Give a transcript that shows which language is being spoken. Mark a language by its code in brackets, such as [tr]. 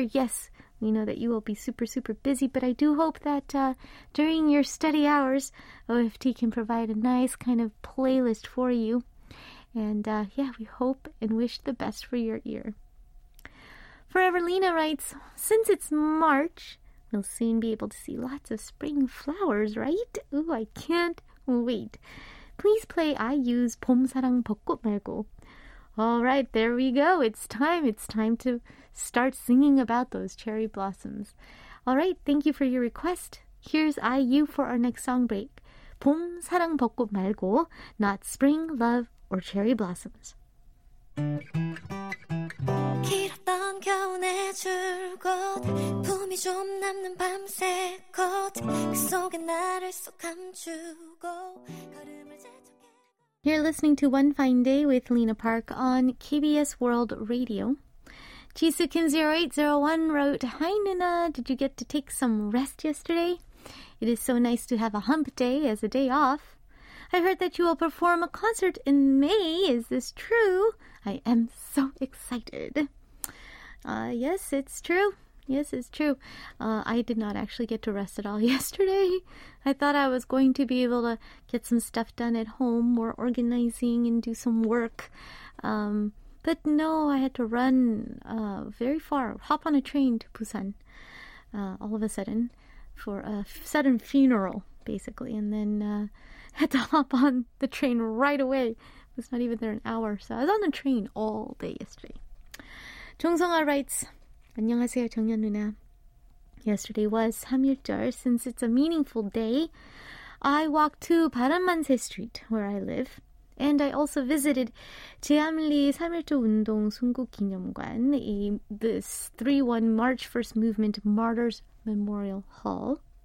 [en] Yes, we know that you will be super, super busy, but I do hope that during your study hours, OFT can provide a nice kind of playlist for you. And yeah, we hope and wish the best for your year. Forever Lena writes, since it's March, we'll soon be able to see lots of spring flowers, right? Ooh, I can't wait. Please play IU's 봄 사랑 벚꽃 말고. All right, there we go. It's time. It's time to start singing about those cherry blossoms. All right, thank you for your request. Here's IU for our next song break. 봄 사랑 벚꽃 말고, not spring, love, or cherry blossoms. [ko] 길었던 겨운의 줄곧 품이 좀 남는 밤새 곧 그 속에 나를 쏙 감추고 걸음을 재촉해. [en] You're listening to One Fine Day with Lena Park on KBS World Radio. Jisukin0801 wrote, Hi Nina, did you get to take some rest yesterday? It is so nice to have a hump day as a day off. I heard that you will perform a concert in May. Is this true? I am so excited. Yes, it's true. Yes, it's true. I did not actually get to rest at all yesterday. I thought I was going to be able to get some stuff done at home, more organizing and do some work. But no, I had to run very far, hop on a train to Busan all of a sudden for a sudden funeral, basically. And then had to hop on the train right away. It was not even there an hour, so I was on the train all day yesterday. [ko] 정성아 writes, 안녕하세요, 정연 누나. [en] Yesterday was 삼일절. Since it's a meaningful day, I walked to 바람만세 Street, where I live, and I also visited 제암리 삼일절 운동 순국 기념관, this 3-1 March First Movement Martyrs Memorial Hall.